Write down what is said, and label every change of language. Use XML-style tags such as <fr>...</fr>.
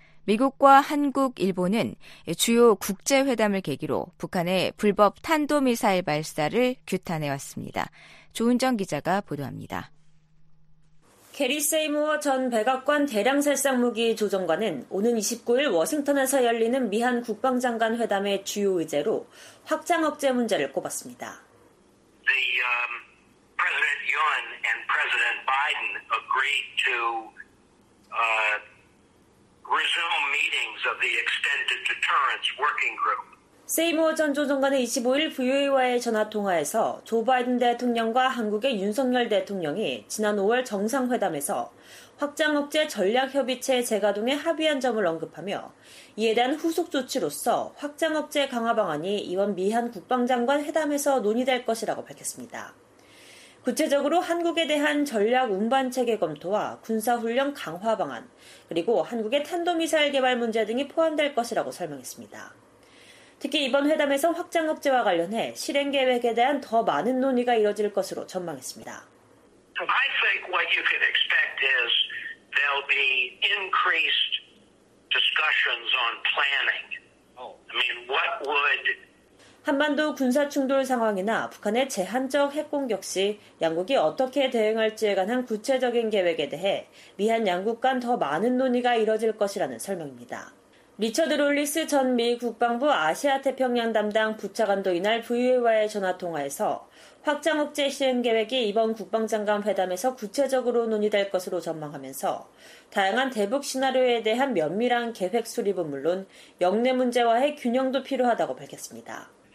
<ko>미국과 한국, 일본은 주요 국제회담을 계기로 북한의 불법 탄도미사일 발사를 규탄해왔습니다. 조은정 기자가 보도합니다. 게리 세이모어 전 백악관 대량살상무기 조정관은 오는 29일 워싱턴에서 열리는 미한 국방장관 회담의 주요 의제로 확장 억제 문제를 꼽았습니다.</ko> <en>The President Yun and President Biden agreed to resume meetings of the extended deterrence working group.</en> <ko>세이모어 전 조정관은 25일 VOA와의 전화통화에서 조 바이든 대통령과 한국의 윤석열 대통령이 지난 5월 정상회담에서 확장 억제 전략협의체 재가동에 합의한 점을 언급하며 이에 대한 후속 조치로서 확장 억제 강화 방안이 이번 미한 국방장관 회담에서 논의될 것이라고 밝혔습니다. 구체적으로 한국에 대한 전략 운반 체계 검토와 군사훈련 강화 방안, 그리고 한국의 탄도미사일 개발 문제 등이 포함될 것이라고 설명했습니다. 특히 이번 회담에서 확장 억제와 관련해 실행 계획에 대한 더 많은 논의가 이뤄질 것으로 전망했습니다.</ko> <en>I think what you can expect is there'll be increased discussions on planning. I mean, what would</en> <ko>한반도 군사 충돌 상황이나 북한의 제한적 핵 공격 시 양국이 어떻게 대응할지에 관한 구체적인 계획에 대해 미한 양국 간 더 많은 논의가 이뤄질 것이라는 설명입니다. 리처드 롤리스 전 미 국방부 아시아태평양 담당 부차관도 이날 VOA와의 전화통화에서 확장 억제 실행 계획이 이번 국방장관 회담에서 구체적으로 논의될 것으로 전망하면서 다양한 대북 시나리오에 대한 면밀한 계획 수립은 물론 역내 문제와의 균형도 필요하다고 밝혔습니다.</ko>